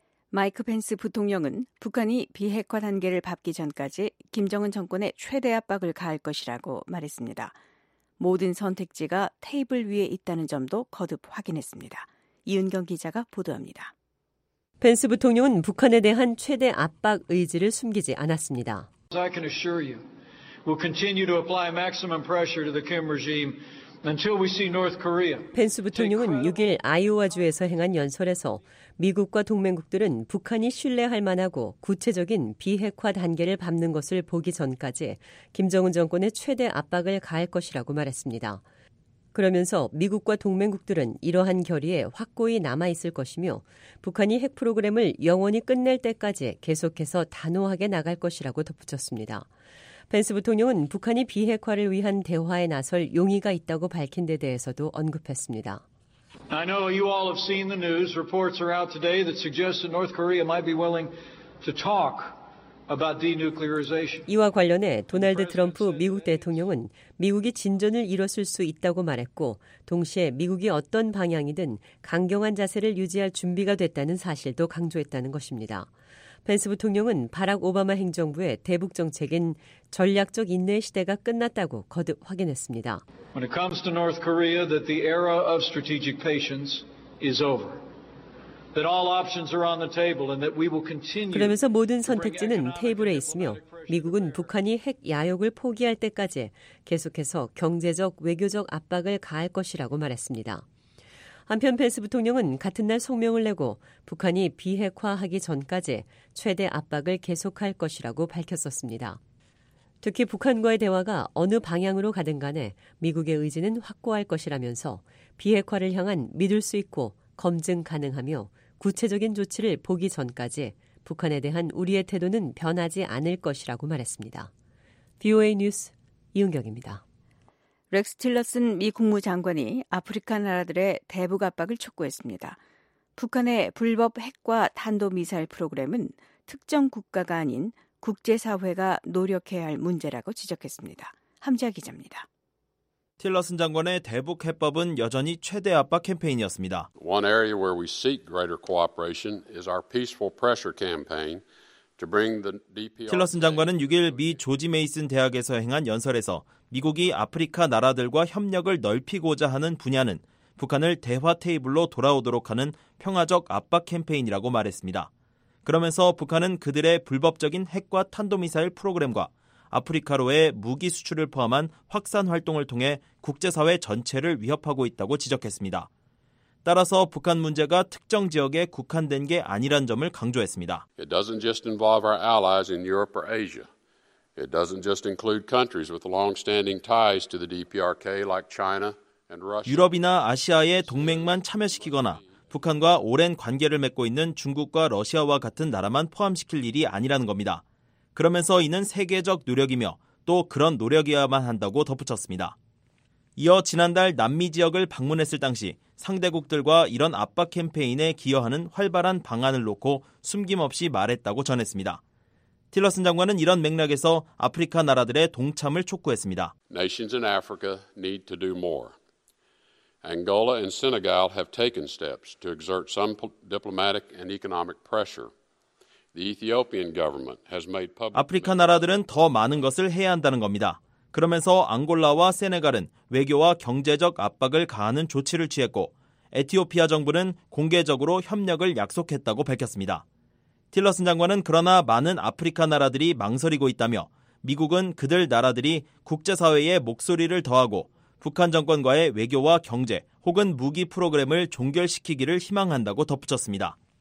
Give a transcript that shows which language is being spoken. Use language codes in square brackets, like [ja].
[ko] 마이크 펜스 부통령은 북한이 비핵화 단계를 밟기 전까지 김정은 정권의 최대 압박을 가할 것이라고 말했습니다. 모든 선택지가 테이블 위에 있다는 점도 거듭 확인했습니다. 이은경 기자가 보도합니다. 펜스 부통령은 북한에 대한 최대 압박 의지를 숨기지 않았습니다. [en] I can assure you, we'll continue to apply maximum pressure to the Kim regime. [ko] 펜스 부통령은 6일 아이오와주에서 행한 연설에서 미국과 동맹국들은 북한이 신뢰할 만하고 구체적인 비핵화 단계를 밟는 것을 보기 전까지 김정은 정권의 최대 압박을 가할 것이라고 말했습니다. 그러면서 미국과 동맹국들은 이러한 결의에 확고히 남아있을 것이며 북한이 핵 프로그램을 영원히 끝낼 때까지 계속해서 단호하게 나갈 것이라고 덧붙였습니다. 펜스 부통령은 북한이 비핵화를 위한 대화에 나설 용의가 있다고 밝힌 데 대해서도 언급했습니다. [en] I know you all have seen the news. Reports are out today that suggest that North Korea might be willing to talk about denuclearization. [ko] 이와 관련해 도널드 트럼프 미국 대통령은 미국이 진전을 이뤘을 수 있다고 말했고 동시에 미국이 어떤 방향이든 강경한 자세를 유지할 준비가 됐다는 사실도 강조했다는 것입니다. 펜스 부통령은 바락 오바마 행정부의 대북 정책인 전략적 인내 시대가 끝났다고 거듭 확인했습니다. [en] When it comes to North Korea, that the era of strategic patience is over. That all options are on the table and that we will continue. [ko] 그러면서 모든 선택지는 테이블에 있으며 미국은 북한이 핵 야욕을 포기할 때까지 계속해서 경제적 외교적 압박을 가할 것이라고 말했습니다. 한편 펜스 부통령은 같은 날 성명을 내고 북한이 비핵화하기 전까지 최대 압박을 계속할 것이라고 밝혔었습니다. 특히 북한과의 대화가 어느 방향으로 가든 간에 미국의 의지는 확고할 것이라면서 비핵화를 향한 믿을 수 있고 검증 가능하며 구체적인 조치를 보기 전까지 북한에 대한 우리의 태도는 변하지 않을 것이라고 말했습니다. VOA 뉴스 이은경입니다. 렉스 틸러슨 미 국무장관이 아프리카 나라들의 대북 압박을 촉구했습니다. 북한의 불법 핵과 탄도미사일 프로그램은 특정 국가가 아닌 국제사회가 노력해야 할 문제라고 지적했습니다. 함지아 기자입니다. 틸러슨 장관의 대북 해법은 여전히 최대 압박 캠페인이었습니다. [en] One area where we seek greater cooperation is our peaceful pressure campaign [ko] 틸러슨 장관은 6일 미 조지 메이슨 대학에서 행한 연설에서 미국이 아프리카 나라들과 협력을 넓히고자 하는 분야는 북한을 대화 테이블로 돌아오도록 하는 평화적 압박 캠페인이라고 말했습니다. 그러면서 북한은 그들의 불법적인 핵과 탄도미사일 프로그램과 아프리카로의 무기 수출을 포함한 확산 활동을 통해 국제사회 전체를 위협하고 있다고 지적했습니다. 따라서 북한 문제가 특정 지역에 국한된 게 아니란 점을 강조했습니다. [en] It doesn't just involve our allies in Europe or Asia. It doesn't just include countries with long-standing ties to the DPRK like China and Russia. [ko] 유럽이나 아시아의 동맹만 참여시키거나 북한과 오랜 관계를 맺고 있는 중국과 러시아와 같은 나라만 포함시킬 일이 아니라는 겁니다. 그러면서 이는 세계적 노력이며 또 그런 노력이어야만 한다고 덧붙였습니다. 이어 지난달 남미 지역을 방문했을 당시 상대국들과 이런 압박 캠페인에 기여하는 활발한 방안을 놓고 숨김없이 말했다고 전했습니다. 틸러슨 장관은 이런 맥락에서 아프리카 나라들의 동참을 촉구했습니다. [en] Nations in Africa need to do more. Angola and Senegal have taken steps to exert some diplomatic and economic pressure. The Ethiopian government has made public. [ko] 아프리카 나라들은 더 많은 것을 해야 한다는 겁니다. 그러면서 앙골라와 세네갈은 외교와 경제적 압박을 가하는 조치를 취했고 에티오피아 정부는 공개적으로 협력을 약속했다고 밝혔습니다. 틸러슨 장관은 그러나 많은 아프리카 나라들이 망설이고 있다며 미국은 그들 나라들이 국제사회의 목소리를 더하고 북한 정권과의 외교와 경제 혹은 무기 프로그램을 종결시키기를 희망한다고 덧붙였습니다.